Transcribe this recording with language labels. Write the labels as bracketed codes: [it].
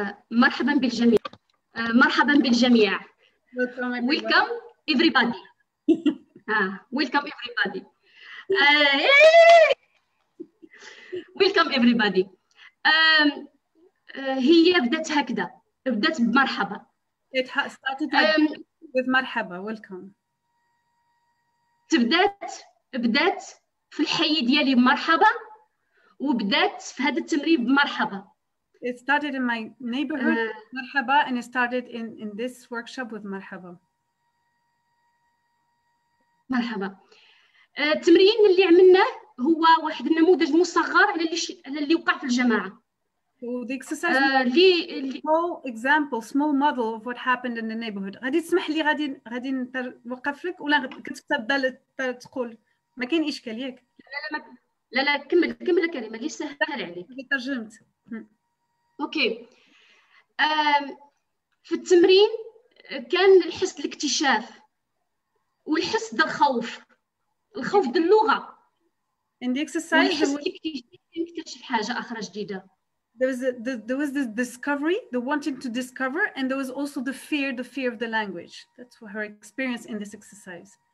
[ar] مرحبا بالجميع مرحبا بالجميع [en] welcome everybody welcome everybody welcome everybody [ar] هي بدات هكذا بدات بمرحبا [en] it started with مرحبا welcome [ar] بدات في الحي ديالي بمرحبا وبدات في هذا التمرين بمرحبا. [en] It started in my neighborhood, Marhaba, and it started in this workshop with Marhaba. [ar] Marhaba. التمرين اللي عملناه هو واحد النموذج مصغر على اللي وقع في الجماعة. [en] The exercise. Small example, small model of what happened in the neighborhood. [ar] غادي تسمح لي غادي نوقف لك ولا كنت تبدل تقول ما كاين إشكال ياك. لا كمل كلمة اللي سهل عليك. ترجمت. اوكي في التمرين كان الحس الاكتشاف والحس ديال الخوف ديال اللغه عندك السايد الحس الاكتشاف نكتشف حاجه اخرى جديده [en] there was this discovery the wanting to discover and there was also the fear of the language that's her experience in this exercise.